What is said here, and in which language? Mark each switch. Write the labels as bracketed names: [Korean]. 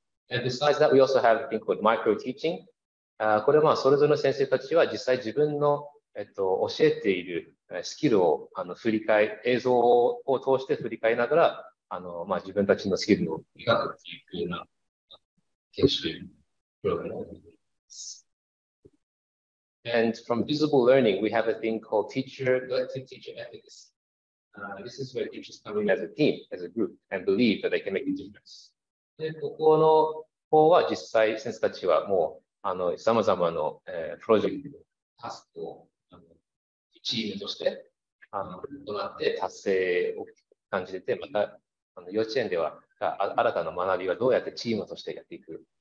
[English] And besides that, we also have a thing called micro-teaching.、 [Japanese] これはまあそれぞれの先生たちは実際自分の、教えているスキルを振り返、映像を通して振り返りながら、まあ、自分たちのスキルを磨くというような研修プログラムを行います。 [English] And from visible learning, we have a thing called teacher, teacher ethics.、this is where teachers come in as a team, as a group, and believe that they can make a difference. [Japanese] でここの方は実際先生たちはもうさまざまの、プロジェクトタスクをチームとして行って達成を感じててまた幼稚園では新たな学びはどうやってチームとしてやっていく